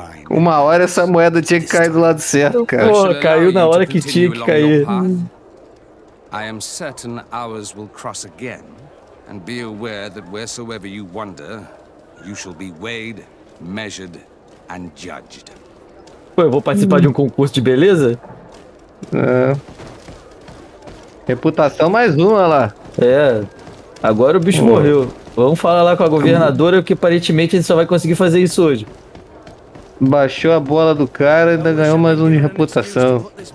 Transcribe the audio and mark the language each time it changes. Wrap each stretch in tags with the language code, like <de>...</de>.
<pt>Uma hora essa moeda tinha que cair do lado certo, cara. Pô, caiu na hora que tinha que cair.</pt> <en>I am certain ours will cross again, and be aware that wheresoever you wander, you shall be weighed, measured, and judged.</en> <pt>Pô, eu vou participar de um concurso de beleza? Reputação mais uma lá. É. Agora o bicho morreu. Vamos falar lá com a governadora, que aparentemente ele só vai conseguir fazer isso hoje. Baixou a bola do cara e ainda ganhou mais um de reputação.</pt>